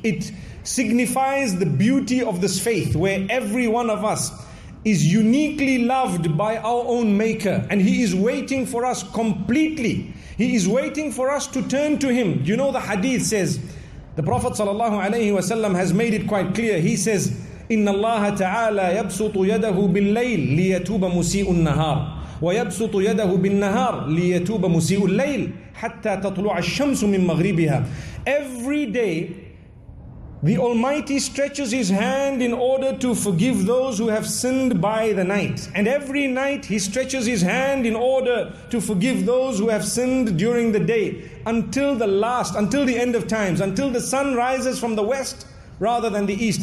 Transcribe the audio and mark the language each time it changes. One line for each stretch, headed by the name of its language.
English: It signifies the beauty of this faith, where every one of us is uniquely loved by our own Maker, and He is waiting for us completely. He is waiting for us to turn to Him. You know, the hadith says, the Prophet sallallahu alayhi wa sallam has made it quite clear. He says,
Arabic: إِنَّ اللَّهَ تَعَالَى يَبْسُطُ يَدَهُ بِاللَّيْلِ لِيَتُوبَ مُسِيءُ النَّهَارِ وَيَبْسُطُ يَدَهُ بِالنَّهَارِ لِيَتُوبَ مُسِيءُ اللَّيْلِ حَتَّى تَطْلُعَ الشَّمْسُ مِن مَغْرِبِهَا.
English: Every day, The Almighty stretches His hand in order to forgive those who have sinned by the night. And every night He stretches His hand in order to forgive those who have sinned during the day. Until the last, until the end of times, until the sun rises from the west rather than the east.